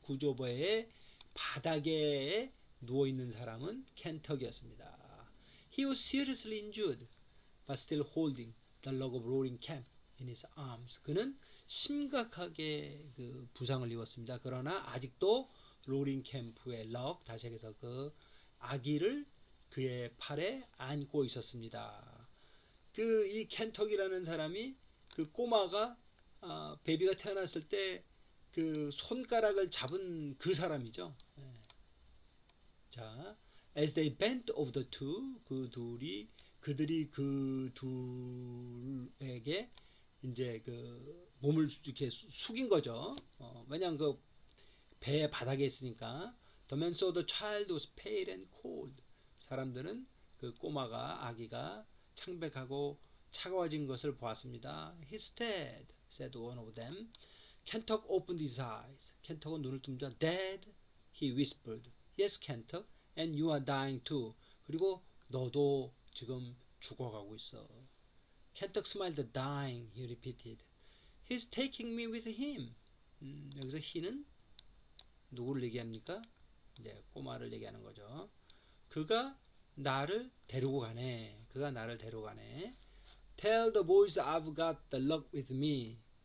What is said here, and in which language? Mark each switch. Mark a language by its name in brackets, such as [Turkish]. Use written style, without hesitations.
[Korean] 구조배의 바닥에 누워 있는 사람은 켄터기였습니다. [English] He was seriously injured, but still holding the log of Roaring Camp in his arms. [Korean] 그는 심각하게 그 부상을 입었습니다. 그러나 아직도 로링 캠프의 럭, 다시 얘기해서 그 아기를 그의 팔에 안고 있었습니다. 그이 켄터기라는 사람이 그 꼬마가 베이비가 태어났을 때그 손가락을 잡은 그 사람이죠. 자, [English] as they bent over the two, [Korean] 그들이 그 둘에게 이제 그 몸을 이렇게 숙인 거죠. 왜냐면 그 배에 바닥에 있으니까. [English] The man saw the child was pale and cold. [Korean] 사람들은 그 꼬마가 아기가 창백하고 차가워진 것을 보았습니다. [English] He's dead, said one of them. Kentuck opened his eyes. [Korean] Kentuck은 눈을 뜨면서 [English] dead, he whispered. Yes, Kentuck. And you are dying too. [Korean] 그리고 너도 지금 죽어가고 있어. [English] Kentuck smiled dying, he repeated. He's taking me with him. [Korean] 여기서 he는 누구를 얘기합니까? 이제 꼬마를 얘기하는 거죠. 그가 나를 데리고 가네. 그가 나를 데리고 가네. [English] Tell the boys I've got the luck with me.